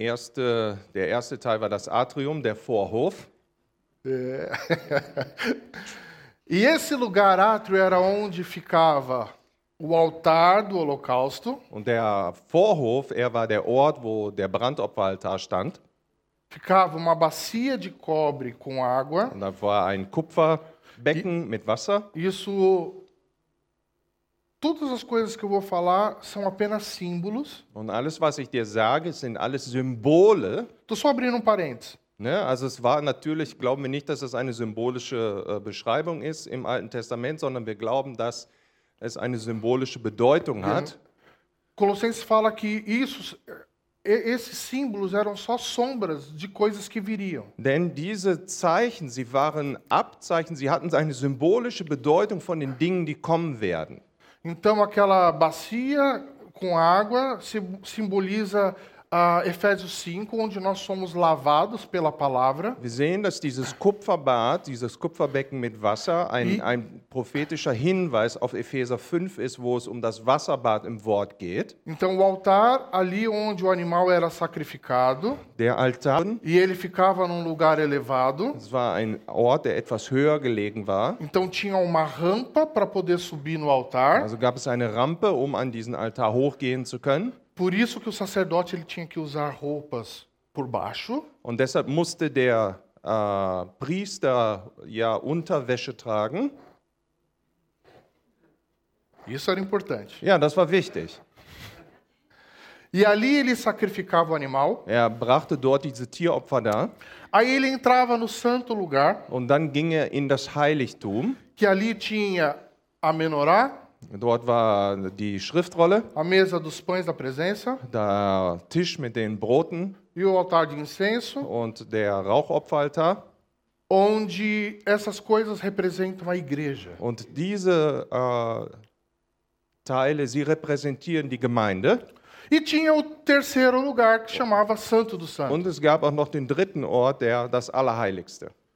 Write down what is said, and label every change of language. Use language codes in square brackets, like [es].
[de] Der erste Teil war das Atrium, der Vorhof. [pt] E esse lugar, átrio, era onde ficava o altar do holocausto. [de] Und der Vorhof, war der Ort, wo der Brandopferaltar stand. [pt] Ficava uma bacia de cobre com água. [de] Und da war ein Kupferbecken mit Wasser. [pt] Isso, todas as coisas que eu vou falar são apenas símbolos. [de] Und alles, was ich dir sage, sind alles Symbole. [pt] Tô só abrindo um parênteses. Ne? [de] Also es war natürlich, glauben wir nicht, dass es eine symbolische Beschreibung ist im Alten Testament, sondern wir glauben, dass es eine symbolische Bedeutung hat. [pt] Colossenses fala que isso, esses símbolos eram só sombras de coisas que viriam. [de] Denn diese Zeichen, sie waren Abzeichen, sie hatten eine symbolische Bedeutung von den Dingen, die kommen werden. [pt] Então aquela bacia com água simboliza Efésios 5, onde nós somos lavados pela palavra. [de] Wir sehen, dass dieses Kupferbad, dieses Kupferbecken mit Wasser, ein prophetischer Hinweis auf Epheser 5 ist, wo es um das Wasserbad im Wort geht. [pt] Então o altar ali onde o animal era sacrificado. [de] Der Altar. [pt] E ele ficava num lugar elevado. [de] Es war ein Ort, der etwas höher gelegen war. [pt] Então tinha uma rampa para poder subir no altar. [de] Also gab es eine Rampe, um an diesen Altar hochgehen zu können. [pt] Por isso que o sacerdote, ele tinha que usar roupas por baixo. [de] Und deshalb musste der Priester ja Unterwäsche tragen. [pt] Isso era importante. [de] Ja, das war wichtig. [pt] E ali ele sacrificava o animal. [de] Er brachte dort diese Tieropfer da. [pt] Aí ele entrava no santo lugar. [de] Und dann ging er in das Heiligtum. [pt] Que ali tinha a menorá. [de] Dort war die Schriftrolle, [pt] a mesa dos pães da presença, [de] der Tisch mit den Broten, [pt] e o altar de incenso, [de] und der Rauchopferaltar, [pt] onde essas coisas representam a igreja. [de] Und diese Teile, sie repräsentieren die Gemeinde. [pt] E tinha o terceiro lugar, que chamava Santo dos Santos. [de] Und es gab auch noch den dritten Ort, der das Allerheiligste.